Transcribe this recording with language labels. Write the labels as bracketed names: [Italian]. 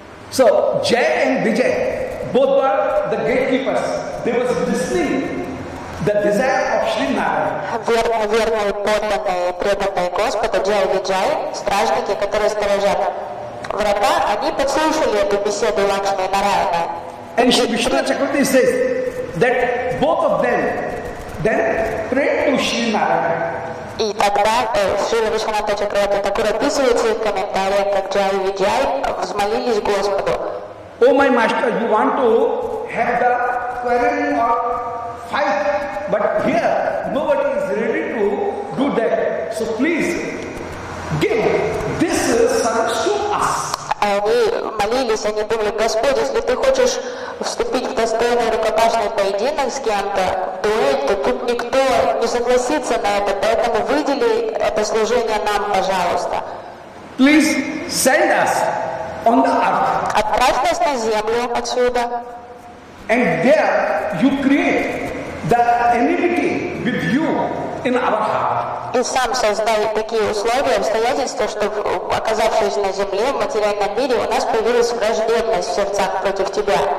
[English] So Jay and Vijay, both were the gatekeepers. They were listening the desire of Shri Narayan. [Russian] Верные, подданные, преданные Господу, Jay и Vijay, стражники, которые сторожат врата, они подслушали эту беседу Лакшми Нараяна. [English] And Shri Vishnu Chakravarti says that both of them then prayed to Shri Narayan. [Russian] И тогда Шри Вишваната Чакравати такой описывает свои комментарии, как Джай и Виджай взмолились Господу. О, мой мастер, [English] you want to have the quarreling or fight, but here nobody is ready to do that. So please give this service to us. [Russian] Они молились, они думали, Господь, если ты хочешь вступить в достойный рукопашный поединок с кем-то, то тут никто не согласится на это, поэтому выдели это служение нам, пожалуйста. [English] Please send us on the earth. [Russian] Отправь нас на землю отсюда. [English] And there you create the enmity with you in our heart. [Russian] И сам создай такие условия, обстоятельства, чтобы, оказавшись на земле, в материальном мире, у нас появилась враждебность в сердцах против тебя.